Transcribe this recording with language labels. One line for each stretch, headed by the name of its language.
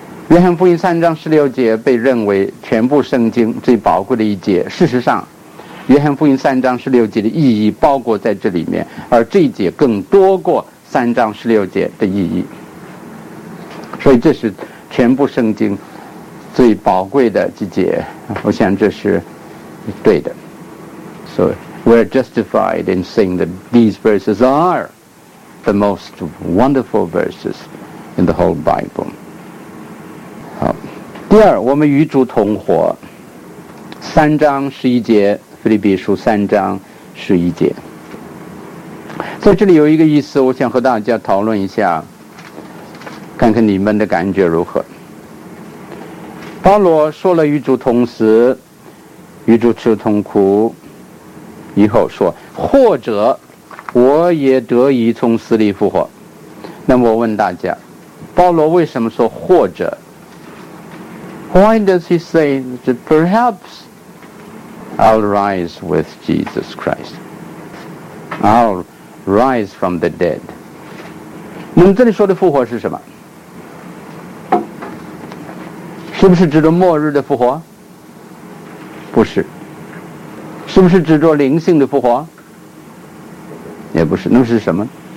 Chinese: 约翰福音三章十六节被认为全部圣经最宝贵的一节，事实上约翰福音三章十六节的意义包括在这里面，而这一节更多过三章十六节的意义。所以这是全部圣经最宝贵的几节，我想这是对的。
English: So we're justified in saying that these verses are the most wonderful verses in the whole Bible.
Chinese: 好，第二，我们与主同活。三章十一节，腓立比书三章十一节，在这里有一个意思，我想和大家讨论一下，看看你们的感觉如何。保罗说了与主同死，与主吃痛苦以后说，或者我也得以从死里复活。那么我问大家，保罗为什么说或者？
English: Why does he say that perhaps I'll rise with Jesus Christ? I'll rise from the dead.
Chinese: 那么这里说的复活是什么？是不是指着末日的复活？不是。是不是指着灵性的复活？也不是。那是什么？